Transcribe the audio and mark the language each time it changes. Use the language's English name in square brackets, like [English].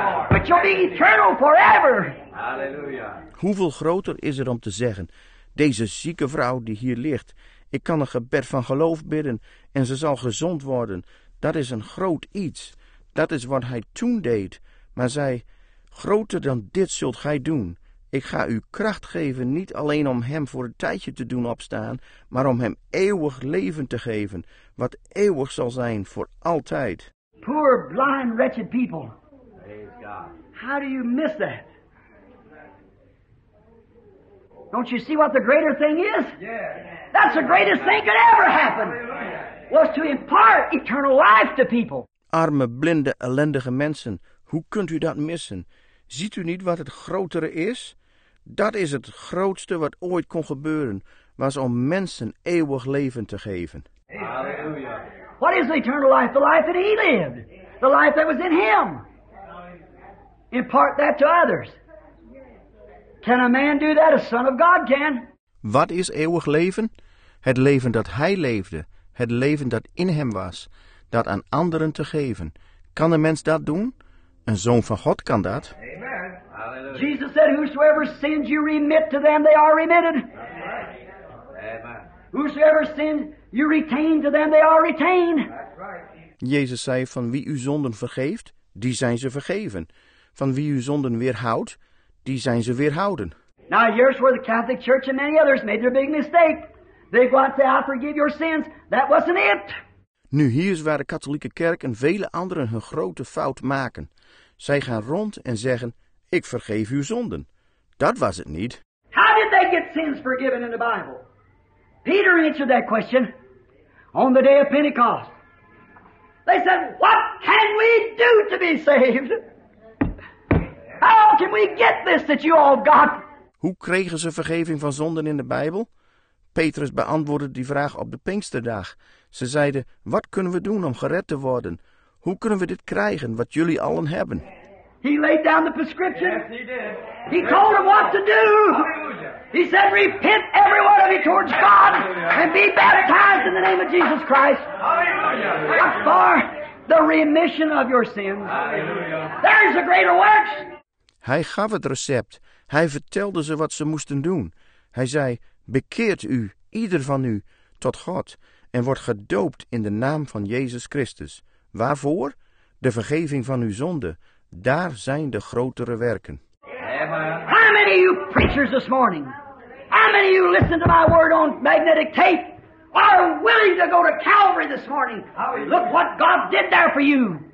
[English] But you'll be eternal forever. Hallelujah. [Dutch] Hoeveel groter is het om te zeggen, deze zieke vrouw die hier ligt, ik kan een gebed van geloof bidden en ze zal gezond worden. Dat is een groot iets. Dat is wat hij toen deed. Maar zij... Groter dan dit zult gij doen. Ik ga u kracht geven niet alleen om hem voor een tijdje te doen opstaan, maar om hem eeuwig leven te geven, wat eeuwig zal zijn voor altijd. [English] Poor, blind, wretched people. Praise God. How do you miss that? Don't you see what the greater thing is? Yeah. That's the greatest thing could ever happen, was to impart eternal life to people. [Dutch] Arme, blinde, ellendige mensen, hoe kunt u dat missen? Ziet u niet wat het grotere is? Dat is het grootste wat ooit kon gebeuren, was om mensen eeuwig leven te geven. Halleluja. [English] What is eternal life? The life that he lived. The life that was in him. Impart that to others. Can a man do that? A son of God can. [Dutch] Wat is eeuwig leven? Het leven dat hij leefde. Het leven dat in hem was. Dat aan anderen te geven. Kan een mens dat doen? Een zoon van God kan dat. [English] Amen. Jesus said, whosoever sins you remit to them, they are remitted. Amen. Whosoever sins you retain to them, they are retained. [Dutch] Jezus zei, van wie u zonden vergeeft, die zijn ze vergeven. Van wie u zonden weerhoudt, die zijn ze weerhouden. [English] Now here's where the Catholic Church and many others made their big mistake. They go out and say, I forgive your sins. That wasn't it. [Dutch] Nu hier is waar de katholieke kerk en vele anderen hun grote fout maken. Zij gaan rond en zeggen, ik vergeef uw zonden. Dat was het niet. [English] How did they get sins forgiven in the Bible? Peter answered that question on the day of Pentecost. They said, what can we do to be saved? How can we get this that you all got? [Dutch] Hoe kregen ze vergeving van zonden in de Bijbel? Petrus beantwoordde die vraag op de Pinksterdag. Ze zeiden, wat kunnen we doen om gered te worden? Hoe kunnen we dit krijgen wat jullie allen hebben? [English] He laid down the prescription. Yes, he did. He told them what to do. He said, repent every one of you towards God and be baptized in the name of Jesus Christ. Hallelujah. For the remission of your sins. Hallelujah. There is a greater works. [Dutch] Hij gaf het recept. Hij vertelde ze wat ze moesten doen. Hij zei, bekeert u, ieder van u, tot God en wordt gedoopt in de naam van Jezus Christus. Waarvoor? De vergeving van uw zonde. Daar zijn de grotere werken. [English] How many of you preachers this morning? How many of you listen to my word on magnetic tape? Are willing to go to Calvary this morning? Look what God did there for you.